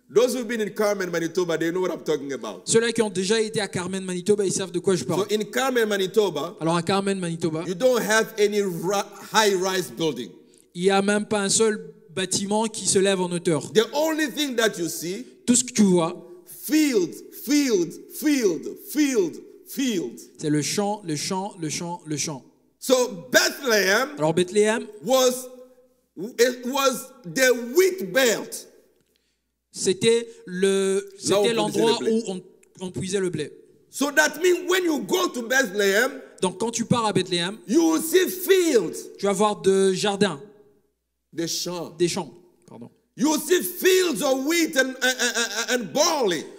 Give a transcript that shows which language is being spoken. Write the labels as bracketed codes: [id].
[en] Those who've been in Carmen, Manitoba, they know what I'm talking about. [fr] Ceux-là qui ont déjà été à Carmen, Manitoba, ils savent de quoi je parle. [en] So in Carmen, Manitoba. [fr] Alors à Carmen, Manitoba. [en] You don't have any high-rise building. [fr] Il y a même pas un seul bâtiment qui se lève en hauteur. [en] The only thing that you see. [fr] Tout ce que tu vois. [en] Field, field, field, field, field. [fr] C'est le champ, le champ, le champ, le champ. [en] So Bethlehem. [fr] Alors Bethlehem. [en] Was it was the wheat belt. [fr] C'était le c'était l'endroit où on puisait le blé. [en] So that means when you go to Bethlehem, [fr] donc quand tu pars à Bethlehem, [en] you will see fields. [fr] Tu vas voir de jardins. Des champs. Des champs, pardon. [en] You will see fields of wheat and barley.